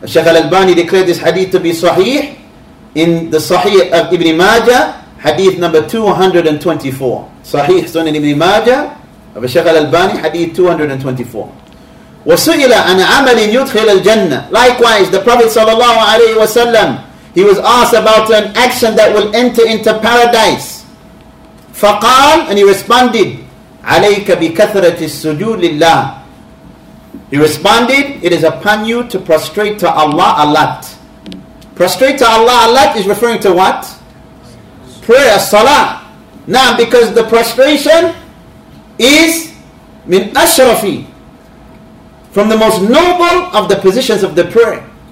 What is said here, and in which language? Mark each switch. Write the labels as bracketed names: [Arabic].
[English] Shaykh al-Albani declared this hadith to be sahih in the Sahih of Ibn Majah, hadith number 224. Sahih Sunan Ibn Majah of Shaykh al-Albani, hadith 224. [Arabic] وَسُئِلَ عَنْ عَمَلٍ يُدْخِلَ الْجَنَّةِ, [English] likewise, the Prophet sallallahu alayhi wa sallam, he was asked about an action that will enter into paradise. [Arabic] فَقَالَ, [English] and he responded, [Arabic] عليك بكثرة السجود لله. [English] He responded, it is upon you to prostrate to Allah a lot. Prostrate to Allah a lot is referring to what? prayer, salah. Now, because the prostration is min ashrafi, from the most noble of the positions of the prayer.